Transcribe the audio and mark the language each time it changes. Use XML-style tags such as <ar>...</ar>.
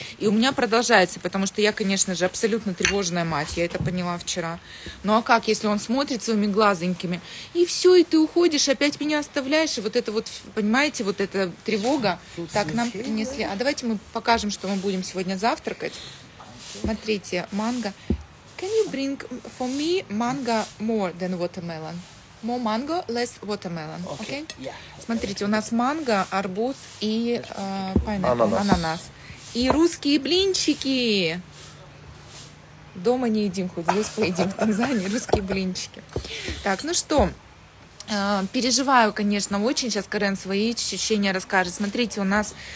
<ru>И у меня продолжается, потому что я, конечно же, абсолютно тревожная мать. Я это поняла вчера. Ну, а как, если он смотрит своими глазенькими? И все, и ты уходишь, опять меня оставляешь. И вот это вот, понимаете, вот эта тревога. Тут так нам принесли. А давайте мы покажем, что мы будем сегодня завтракать. Смотрите, манго.</ru> <en>Can you bring for me mango more than watermelon? More mango, less watermelon. Okay. Okay? Yeah.</en> <ru>Смотрите, у нас манго, арбуз и ананас. И русские блинчики. Дома не едим, хоть здесь поедим, в Танзании русские блинчики. Так, ну что? Переживаю, конечно, очень. Сейчас Карен свои ощущения расскажет. Смотрите, у нас...</ru>